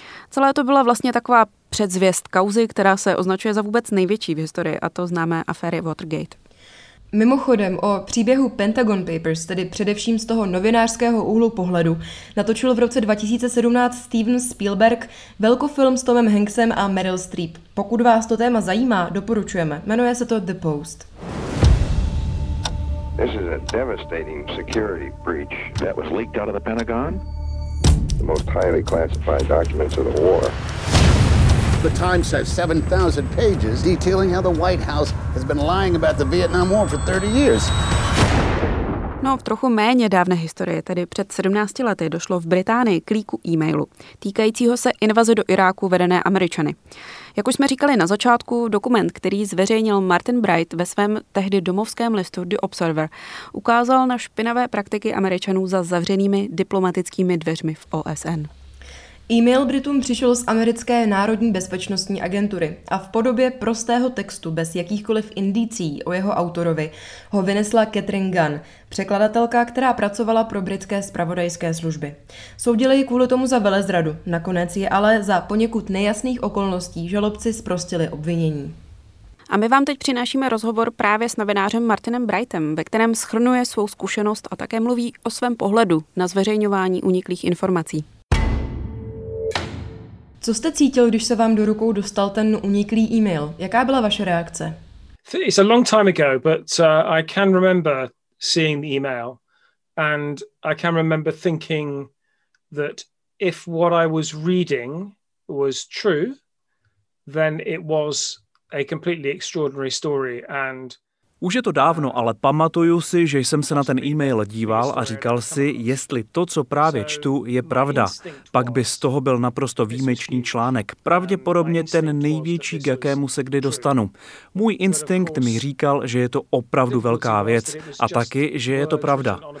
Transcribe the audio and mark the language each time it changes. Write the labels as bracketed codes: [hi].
[cs] Celé to byla vlastně taková předzvěst kauzy, která se označuje za vůbec největší v historii, a to známé aféry Watergate. Mimochodem, o příběhu Pentagon Papers, tedy především z toho novinářského úhlu pohledu, natočil v roce 2017 Steven Spielberg velkofilm s Tomem Hanksem a Meryl Streep. Pokud vás to téma zajímá, doporučujeme. Jmenuje se to The Post. [en] This is a devastating security breach that was leaked out of the Pentagon. The most highly classified documents of the war. The Times has 7,000 pages detailing how the White House has been lying about the Vietnam War for 30 years. [cs] No, v trochu méně dávné historie, tedy před 17 lety, došlo v Británii k líku e-mailu týkajícího se invaze do Iráku vedené Američany. Jak už jsme říkali na začátku, dokument, který zveřejnil Martin Bright ve svém tehdy domovském listu The Observer, ukázal na špinavé praktiky Američanů za zavřenými diplomatickými dveřmi v OSN. E-mail Britům přišel z americké Národní bezpečnostní agentury a v podobě prostého textu bez jakýchkoliv indicií o jeho autorovi ho vynesla Catherine Gunn, překladatelka, která pracovala pro britské zpravodajské služby. Soudili ji kvůli tomu za velezradu, nakonec ji ale za poněkud nejasných okolností žalobci zprostili obvinění. A my vám teď přinášíme rozhovor právě s novinářem Martinem Brightem, ve kterém shrnuje svou zkušenost a také mluví o svém pohledu na zveřejňování uniklých informací. Co jste cítil, když se vám do rukou dostal ten uniklý e-mail? Jaká byla vaše reakce? [en] It's a long time ago, but I can remember seeing the email and I can remember thinking that if what I was reading was true, then it was a completely extraordinary story and [cs] už je to dávno, ale pamatuju si, že jsem se na ten e-mail díval a říkal si, jestli to, co právě čtu, je pravda. Pak by z toho byl naprosto výjimečný článek, pravděpodobně ten největší, k jakému se kdy dostanu. Můj instinkt mi říkal, že je to opravdu velká věc a taky, že je to pravda.